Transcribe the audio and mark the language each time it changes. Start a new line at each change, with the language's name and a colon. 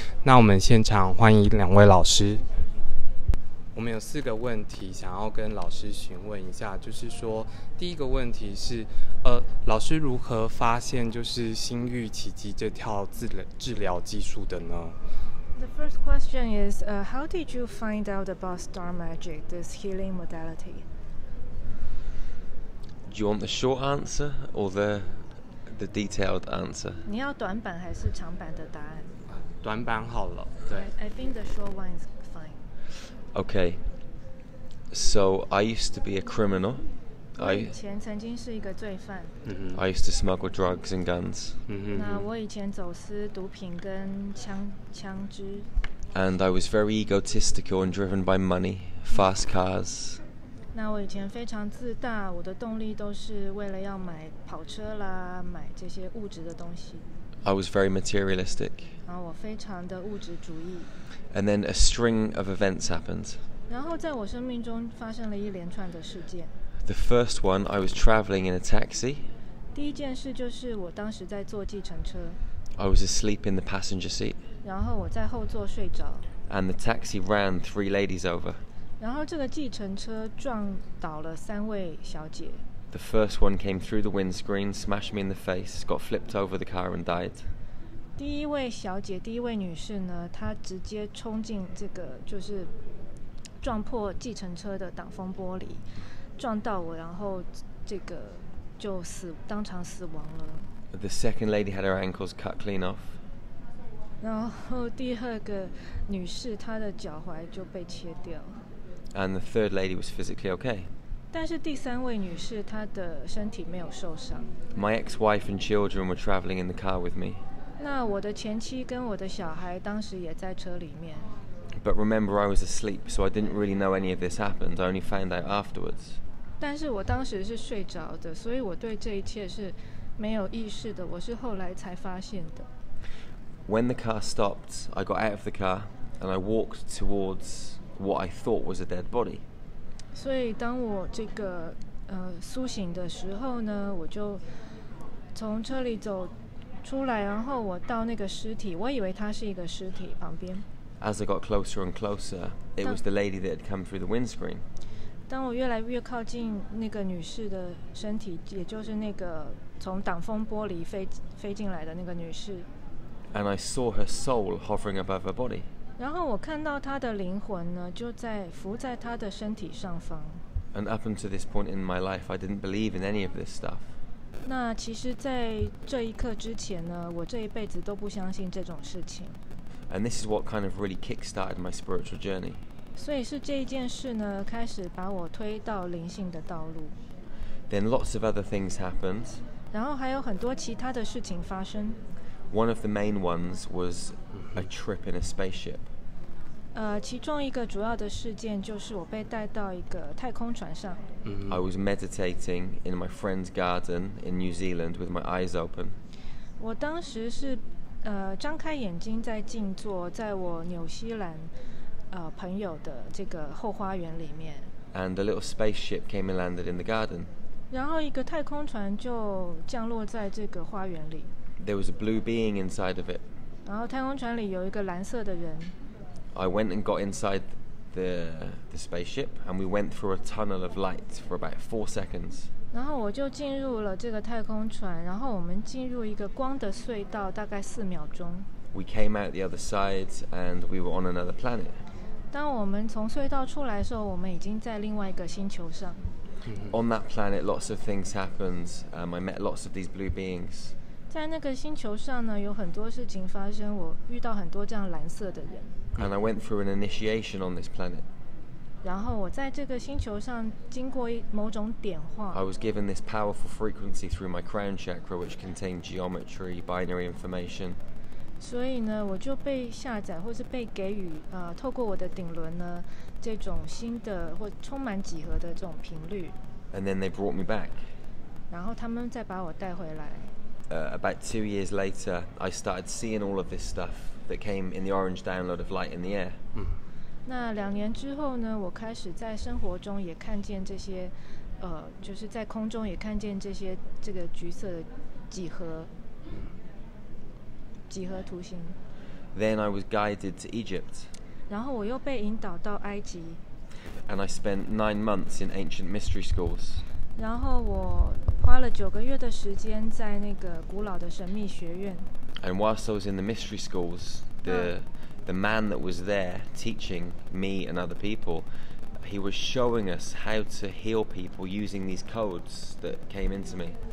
Chinese: 那我们现场欢迎两位老师。我们有四个问题想要跟老师询问一下，就是说第一个问题是老师如何发现就是心域奇迹这套治疗技术的呢？
English: The first question is, how did you find out about star magic, this healing modality? Do you want the short answer or the detailed answer?
Chinese: 你要短版还是长版的答案？短版好了。对。
English: I think the short one is fine. Okay. So I used to be a criminal.
Chinese: 我以前曾经是一个罪犯。
English: I used to smuggle drugs and guns.
Chinese: 那我以前走私毒品跟枪支。
English: And I was very egotistical and driven by money, fast cars.
Chinese: 那我以前非常自大，我的动力都是为了要买跑车啦，买这些物质的东西。
English: I was very materialistic.
Chinese: 然后我非常的物质主义。
English: And then a string of events happened.
Chinese: 然后在我生命中发生了一连串的事件。
English: The first one, I was traveling in a taxi.
Chinese: 第一件事就是我当时在坐计程车。
English: I was asleep in the passenger seat.
Chinese: 然后我在后座睡着。
English: And the taxi ran three ladies over.
Chinese: 然后这个计程车撞倒了三位小姐。
English: The first one came through the windscreen, smashed me in the face, got flipped over the car and died.
Chinese: 第一位小姐，第一位女士呢，她直接冲进这个，就是撞破计程车的挡风玻璃。撞到我，然后这个就死，当场死亡了。
English: The second lady had her ankles cut clean off.
Chinese: 然后第二个女士她的脚踝就被切掉。
English: And the third lady was physically okay.
Chinese: 但是第三位女士她的身体没有受伤。
English: My ex-wife and children were traveling in the car with me.
Chinese: 那我的前妻跟我的小孩当时也在车里面。
English: But remember, I was asleep, so I didn't really know any of this happened. I only found out afterwards.
Chinese: 但是我当时是睡着的，所以我对这一切是没有意识的。我是后来才发现的。
English: When the car stopped, I got out of the car and I walked towards what I thought was a dead body.
Chinese: 所以当我这个苏醒的时候呢，我就从车里走出来，然后我到那个尸体，我以为它是一个尸体旁边。
English: As I got closer and closer, it was the lady that had come through the windscreen.
Chinese: 当我越来越靠近那个女士的身体，也就是那个从挡风玻璃飞进来的那个女士。
English: And I saw her soul hovering above her body.
Chinese: 然后我看到她的灵魂呢，就在浮在她的身体上方。
English: And up until this point in my life, I didn't believe in any of this stuff.
Chinese: 那其实在这一刻之前呢，我这一辈子都不相信这种事情。
English: And this is what kind of really kick-started my spiritual journey.
Chinese: 所以是这一件事呢，开始把我推到灵性的道路。
English: Then lots of other things happened.
Chinese: 然后还有很多其他的事情发生。
English: One of the main ones was a trip in a spaceship.
Chinese: 其中一个主要的事件就是我被带到一个太空船上。
English: I was meditating in my friend's garden in New Zealand with my eyes open.
Chinese: 我当时是张开眼睛在静坐，在我纽西兰朋友的这个后花园里面。
English: And a little spaceship came and landed in the garden.
Chinese: 然后一个太空船就降落在这个花园里。
English: There was a blue being inside of it.
Chinese: 然后太空船里有一个蓝色的人。
English: I went and got inside the spaceship, and we went through a tunnel of light for about 4 seconds.
Chinese: 然后我就进入了这个太空船，然后我们进入一个光的隧道，大概4秒钟。
English: We came out the other side and we were on another planet.
Chinese: 当我们从隧道出来的时候，我们已经在另外一个星球上。
English: On that planet, lots of things happened. I met lots of these blue beings.
Chinese: 在那个星球上呢，有很多事情发生，我遇到很多这样蓝色的人。
English: And I went through an initiation on this planet.
Chinese: 然后我在这个星球上经过某种点化。
English: I was given this powerful frequency through my crown chakra, which contained geometry, binary information.
Chinese: 所以呢，我就被下载或是被给予透过我的顶轮呢，这种新的或充满几何的这种频率。
English: And then they brought me back.
Chinese: 然后他们再把我带回来。
English: About 2 years later, I started seeing all of this stuff that came in the orange download of Light in the Air.
Chinese: 那两年之后呢，我开始在生活中也看见这些，就是在空中也看见这些这个橘色的几何。几何图形。
English: Then I was guided to Egypt.
Chinese: 然后我又被引导到埃及。
English: And I spent 9 months in ancient mystery schools.
Chinese: 然后我花了9个月的时间在那个古老的神秘学院。
English: And whilst I was in the mystery schools, the man that was there teaching me and other people, he was showing us how to heal people using these codes that came into me.